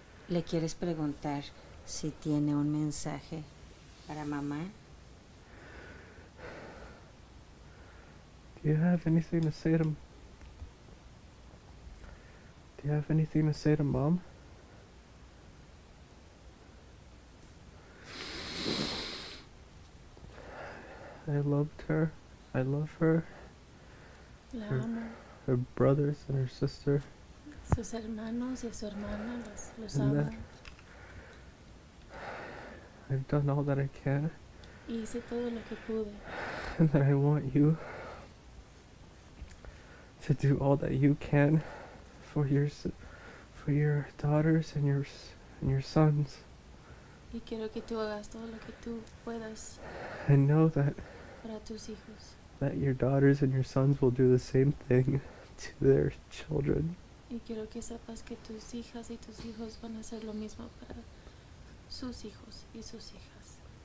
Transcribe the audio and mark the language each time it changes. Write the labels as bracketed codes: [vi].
[es] ¿Le quieres preguntar si tiene un mensaje para mamá? [en] Do you have anything to say to m- Do you have anything to say to mom? I loved her. I love her. [es] La amo. [en] Her brothers and her sister. [es] Sí. Sus hermanos y su hermana los aman. [en] I've done all that I can. [es] Hice todo lo que pude. [en] And that I want you to do all that you can for your daughters and your sons. [es] Y quiero que tú hagas todo lo que tú puedas. [en] And know that [es] para tus hijos. [en] That your daughters and your sons will do the same thing to their children. [es] Y quiero que sepas que tus hijas y tus hijos van a hacer lo mismo para sus hijos y sus hijas.